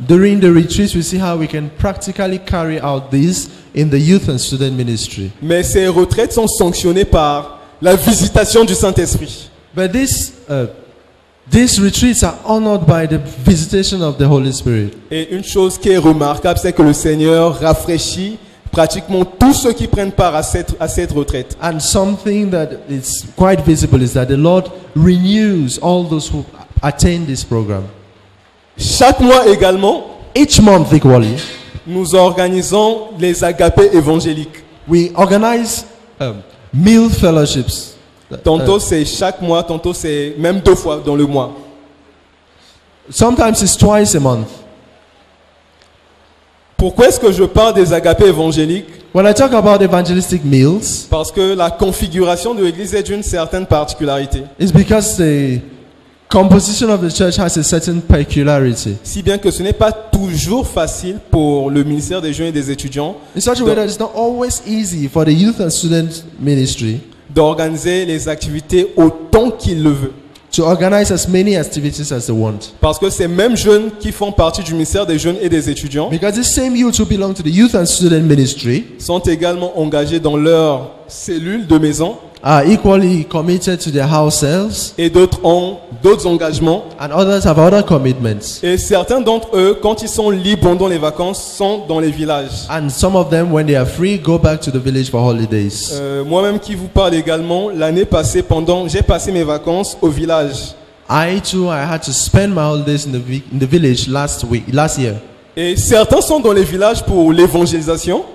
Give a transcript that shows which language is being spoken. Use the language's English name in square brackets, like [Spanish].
[English] During the retreats, we see how we can practically carry out this in the youth and student ministry. [French] Mais ces retraites sont sanctionnées par la visitation du Saint-Esprit. [English] But these retreats are honored by the visitation of the Holy Spirit. [French] Et une chose qui est remarquable, c'est que le Seigneur rafraîchit pratiquement tous ceux qui prennent part à cette retraite. [English] And something that is quite visible is that the Lord renews all those who attain this program. [French] Chaque mois également, [English] each month equally, [French] nous organisons les agapés évangéliques. [English] We organize meal fellowships. [French] Tantôt c'est chaque mois, tantôt c'est même deux fois dans le mois. [English] Sometimes it's twice a month. [French] Pourquoi est-ce que je parle des agapés évangéliques? [English] When I talk about evangelistic meals, [French] parce que la configuration de l'église est d'une certaine particularité. [English] It's because the composition of the church has a certain peculiarity. [French] Si bien que ce n'est pas toujours facile pour le ministère des jeunes et des étudiants. [English] In such a way that it's not always easy for the youth and student ministry. [French] D'organiser les activités autant qu'il le veut. [English] To organize as many activities as they want. [French] Parce que ces mêmes jeunes qui font partie du ministère des jeunes et des étudiants. [English] Because the same youth who belong to the youth and student ministry [French] sont également engagés dans leur cellule de maison. [English] are equally committed to their houses. [French] Et d'autres ont d'autres engagements. [English] And others have other commitments. [French] Et certains d'entre eux, quand ils sont libres pendant les vacances, sont dans les villages. [English] And some of them, when they are free, go back to the village for holidays. [French] Moi-même qui vous parle également, l'année passée, pendant, j'ai passé mes vacances au village. [English] I too, I had to spend my holidays in the village last year. [French] Et certains sont dans les villages pour l'évangélisation.